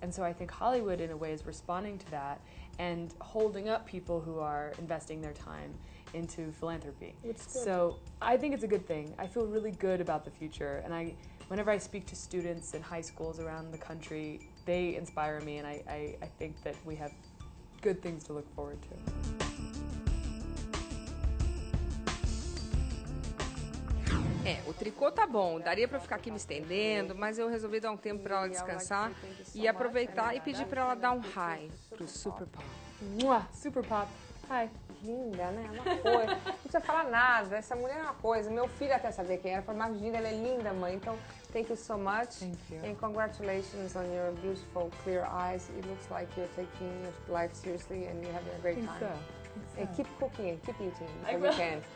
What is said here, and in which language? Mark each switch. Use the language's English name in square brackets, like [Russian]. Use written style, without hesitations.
[English] And so I think Hollywood, in a way, is responding to that and holding up people who are investing their time into philanthropy. So I think it's a good thing. I feel really good about the future. And whenever I speak to students in high schools around the country, they inspire me. And I think that we have good things to look forward to. [Portuguese] É, o tricô tá bom, daria pra ficar aqui me estendendo, mas eu resolvi dar um tempo pra ela descansar e aproveitar e pedir pra ela dar um hi pro Super Pop. Mua, Super Pop, hi. Linda, né? Uma coisa. Não precisa falar nada, essa mulher é uma coisa. Meu filho até sabia quem era, foi mais linda, ela é linda, mãe. Então, [English] thank you so much. Thank you. And congratulations on your beautiful, clear eyes. It looks like you're taking your life seriously and you're having a great time. So. And keep cooking, keep eating, because we can.